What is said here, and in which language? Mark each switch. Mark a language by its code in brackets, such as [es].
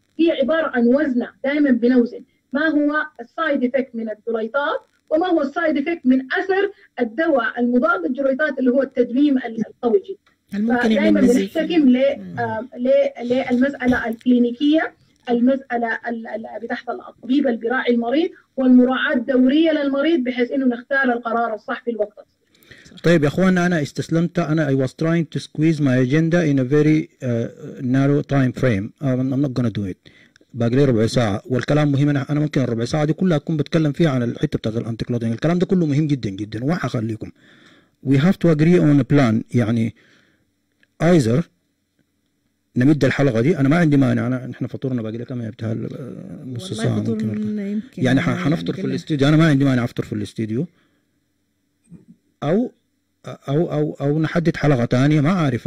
[ar] هي عبارة عن وزنة دائما بنوزن ما هو السايد افكت من الجرويطات وما هو السايد افكت من اثر الدواء المضاد للجرويطات اللي هو التدويم الطويجي. دائما بنحتكم للمساله الكلينيكيه، المساله بتحت الطبيب اللي بيراعي المريض، والمراعاه الدوريه للمريض بحيث انه نختار القرار الصح في الوقت. طيب يا اخوانا انا استسلمت، انا [en] I was trying to squeeze my agenda in a very narrow time frame. I'm not gonna do it. [ar] باقي لي ربع ساعة والكلام مهم. أنا ممكن الربع ساعة دي كلها أكون بتكلم فيها عن الحتة بتاعت الأنتي كلودينج، الكلام ده كله مهم جدا جدا. وحخليكم [en] we have to agree on a plan، [ar] يعني either نمد الحلقة دي، أنا ما عندي مانع، أنا نحن فطورنا باقي لي كم يا بتهال نص ساعة ممكن، يعني حنفطر في الاستوديو، أنا ما عندي مانع أفطر في الاستوديو، أو أو أو أو نحدد حلقة تانية ما عارف.